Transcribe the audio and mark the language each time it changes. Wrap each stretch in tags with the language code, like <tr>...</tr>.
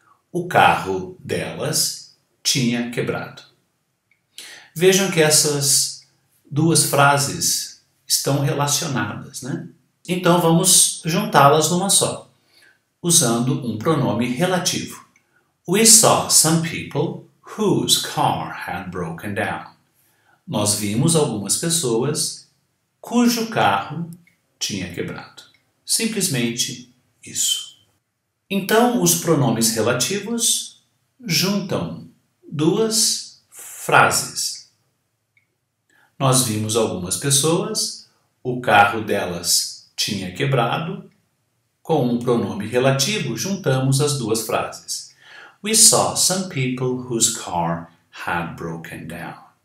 <pt>O carro delas tinha quebrado. Vejam que essas duas frases estão relacionadas, né? Então, vamos juntá-las numa só, usando um pronome relativo.</pt> <en>We saw some people whose car had broken down.</en> <pt>Nós vimos algumas pessoas cujo carro tinha quebrado. Simplesmente isso. Então, os pronomes relativos juntam duas frases. Nós vimos algumas pessoas, o carro delas tinha quebrado. Com um pronome relativo, juntamos as duas frases.</pt> <en>We saw some people whose car had broken down.</en>